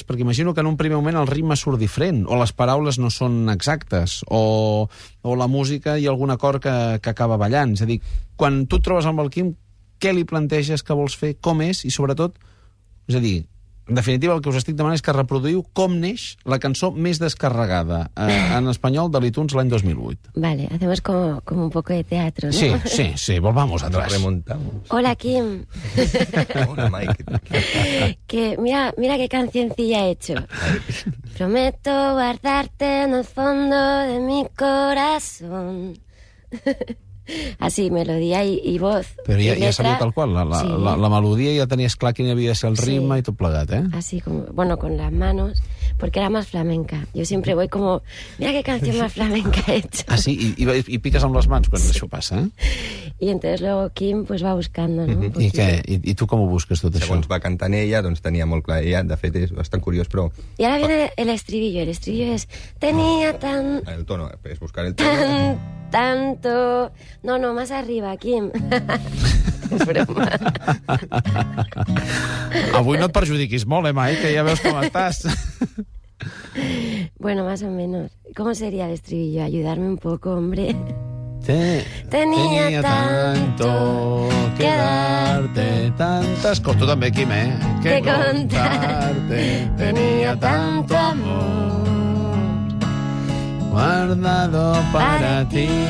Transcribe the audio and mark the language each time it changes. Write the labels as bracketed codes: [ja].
[ca] Perquè imagino que en un primer moment el ritme surt diferent, o les paraules no són exactes, o la música i algun acord que acaba ballant. És a dir, quan tu et trobes amb el Quim, què li planteges que vols fer, com és, i sobretot, és a dir, en definitiva, el que us estic demanant és que reproduïu com neix la cançó més descarregada en espanyol de l'iTunes l'any 2008. [es] Vale, hacemos como un poco de teatro, ¿no? Sí, sí, sí, volvamos atrás. Remontamos. Hola, Quim. Hola, Mike. Que mira qué cancioncilla he hecho. Prometo guardarte en el fondo de mi corazón. Así, melodía y voz. Pero ya salió tal cual, la melodía ya tenías claro quién había de ser el ritmo y todo plegat, ¿eh? Así, como, bueno, con las manos, porque era más flamenca. Yo siempre voy como, mira qué canción más flamenca he hecho. Ah, sí, y picas con las manos cuando eso pasa, ¿eh? Y entonces luego Quim pues va buscando, ¿no? ¿Y qué? ¿Y tú cómo busques todo eso? [ca] Segons va cantant ella, doncs tenía molt clar ella, de fet és bastant curiós, però... [es] Y ahora viene el estribillo es... Tenía tan... El tono, es buscar el tono... Tanto... No, no, más arriba, Quim. [ca] És broma. Avui no et perjudiquis molt, Mai, que ja veus com estàs. [es] Bueno, más o menos. ¿Cómo sería el estribillo? Ayudarme un poco, hombre. Tenía tanto que darte, tantas cosas. [ca] Tú també, Quim, ¿eh? [es] Que contarte. Tenía tanto amor guardado para ti.